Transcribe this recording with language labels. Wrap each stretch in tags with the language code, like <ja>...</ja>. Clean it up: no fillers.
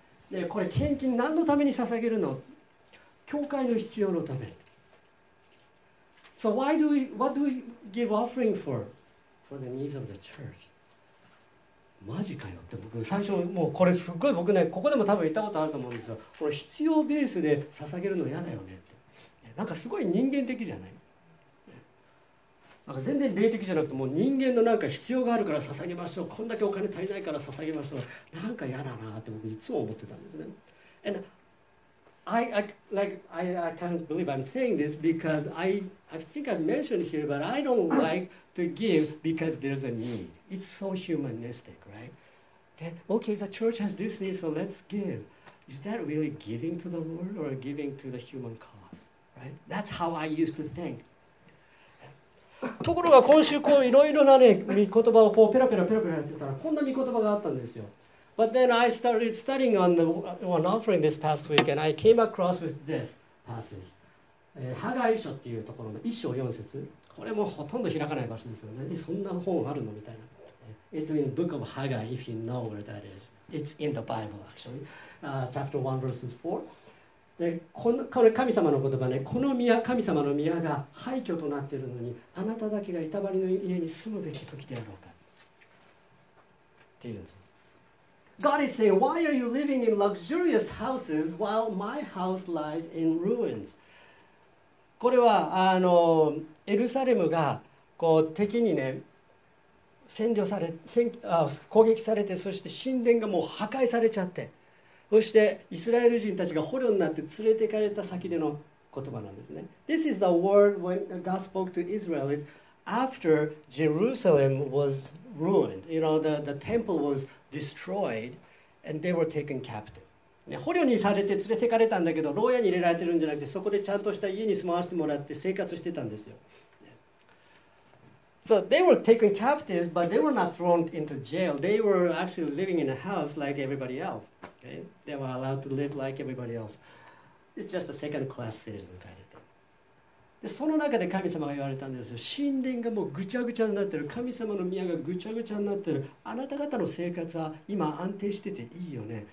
<ja>で、これ献金何のために捧げるの？教会の必要のため。</ja> <en>So why do we, what do we give offering for? For the needs of the church.</en> <ja>マジかよって僕最初もうこれすっごい僕ねここでも多分言ったことあると思うんですよ。これ必要ベースで捧げるの嫌だよねって。なんかすごい人間的じゃない。なんか全然霊的じゃなくてもう人間のなんか必要があるから捧げましょう。こんだけお金足りないから捧げましょう。なんか嫌だなって僕いつも思ってたんですね。</ja> <en>And I can't believe I'm saying this because I think I've mentioned here, but I don't like to give because there's a need. It's so humanistic, right? Okay, the church has this need, so let's give. Is that really giving to the Lord or giving to the human cause? Right? That's how I used to think.</en> <ja>ところが今週こういろいろなね御言葉をこうペラペラペラペラやってたらこんな御言葉があったんですよ。</ja> <en>But then I started studying on the one offering this past week, and I came across with this passage.</en> <ja>ハガイ書っていうところの一章四節。これもほとんど開かない場所ですよね。そんな本あるのみたいな。</ja> <en>It's in the book of Haggai, if you know where that is. It's in the Bible, actually.、chapter 1, verses 4.</en> <ja>でこの神様の言葉ね、この宮、神様の宮が廃墟となっているのに、あなただけが板張りの家に住むべき時であろうか。っていうんです。</ja> <en>God is saying, why are you living in luxurious houses while my house lies in ruins?</en> <ja>これはエルサレムがこう敵にね占領され攻撃されて、そして神殿がもう破壊されちゃって、そしてイスラエル人たちが捕虜になって連れて行かれた先での言葉なんですね。</ja> <en>This is the word when God spoke to Israel is after Jerusalem was ruined, you know, the temple was destroyed and they were taken captive.</en> <ja>ね、捕虜にされて連れてかれたんだけど、牢屋に入れられてるんじゃなくて、そこでちゃんとした家に住まわせてもらって生活してたんですよ。</ja> <en>So they were taken captive, but they were not thrown into jail. They were actually living in a house like everybody else. Okay? They were allowed to live like everybody else. It's just a second class citizen kind of thing.</en> <ja>で、その中で神様が言われたんですよ。神殿がもうぐちゃぐちゃになってる。神様の宮がぐちゃぐちゃになってる。あなた方の生活は今安定してていいよね。</ja>